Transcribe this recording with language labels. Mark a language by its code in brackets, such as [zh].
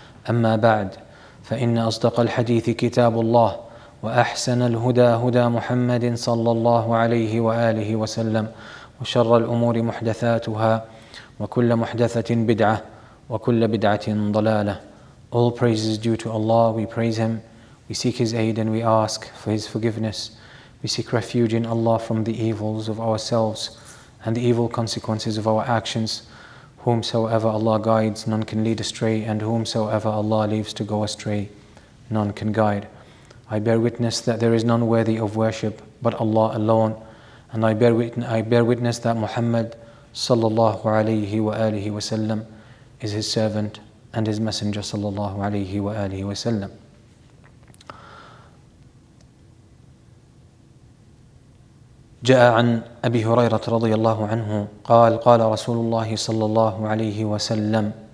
[ar] أما بعد فإن أصدق الحديث كتاب الله وأحسن الهدى هدى محمد صلى الله عليه وآله وسلم وشر الأمور محدثاتها وكل محدثة بدعة وكل بدعة ضلالة. [en] All praise is due to Allah, we praise Him. We seek His aid and we ask for His forgiveness. We seek refuge in Allah from the evils of ourselves and the evil consequences of our actions. Whomsoever Allah guides, none can lead astray, and whomsoever Allah leaves to go astray, none can guide. I bear witness that there is none worthy of worship but Allah alone, and I bear witness that Muhammad sallallahu alayhi wa alihi wa sallam is His servant and His Messenger sallallahu alayhi wa alihi wa sallam. [ar] جاء عن أبي هريرة رضي الله عنه قال قال رسول الله صلى الله عليه وسلم